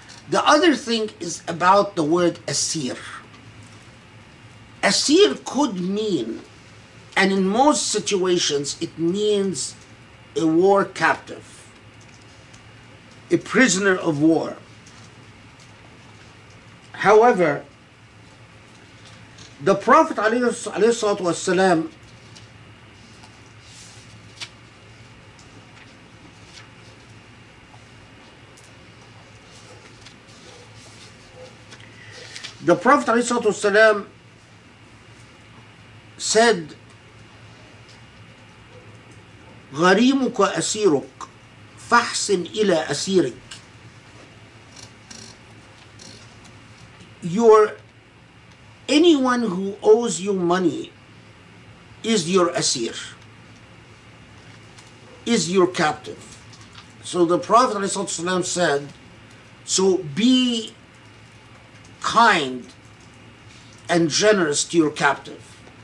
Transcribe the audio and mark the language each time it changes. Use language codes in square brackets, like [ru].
[en] The other thing is about the word asir. Asir could mean, and in most situations, it means a war captive, a prisoner of war. However, the Prophet [ar] والسلام, [en] the Prophet [ar] والسلام, [en] said, [ar] غريمك أسيرك فحسن إلى أسيرك. [en] Anyone who owes you money is your asir, is your captive. So the Prophet ﷺ said, so be kind and generous to your captive.